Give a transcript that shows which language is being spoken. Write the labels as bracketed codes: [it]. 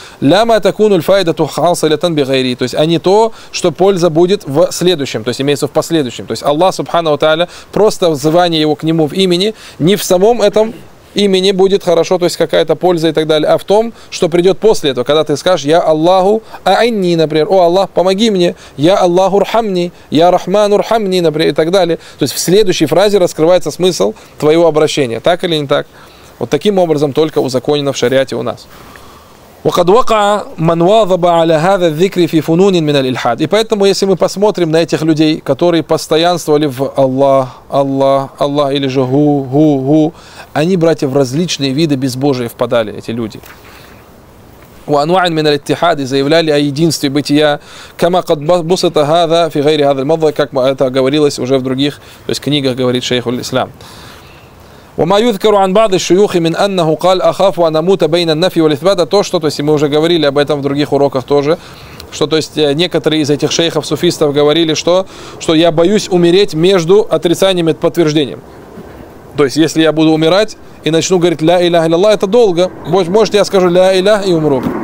[ar] Ляма такуну аль-файдату хасилатан бигайри. [ru] То есть, а не то, что польза будет в следующем, то есть имеется в последующем. То есть Аллах субхана ва тааля, просто взывание его к нему в имени, не в самом этом имени будет хорошо, то есть какая-то польза и так далее, а в том, что придет после этого, когда ты скажешь [ar] «Я Аллаху а'инни», [ru] например, «О Аллах, помоги мне», [ar] «Я Аллаху рхамни», «Я Рахману рхамни», [ru] например, и так далее. То есть в следующей фразе раскрывается смысл твоего обращения, так или не так. Вот таким образом только узаконено в шариате у нас. [ar] وقد وقع من واظب على هذا الذكر في فنون من الالحاد. [ru] И поэтому, если мы посмотрим на этих людей, которые постоянствовали в Аллах, Аллах, Аллах или же ху, ху, ху, они, братья, в различные виды безбожия впадали, эти люди. [ar] وانواع من الاتحاد [ru] заявляли о единстве бытия, [ar] كما قد بسط هذا في غير هذا المضى, [ru] как это говорилось уже в других, то есть книгах говорит шейх аль-Ислам. [ar] وما يذكر عن بعض الشيوخ من أنه قال أخاف أن أموت بين النفي والإثبات. [ru] То, что, то есть мы уже говорили об этом в других уроках тоже, что, то есть некоторые из этих шейхов суфистов говорили, что, что я боюсь умереть между отрицанием и подтверждением. То есть если я буду умирать и начну говорить ля илях илля, это долго. Может я скажу ля илях и умру.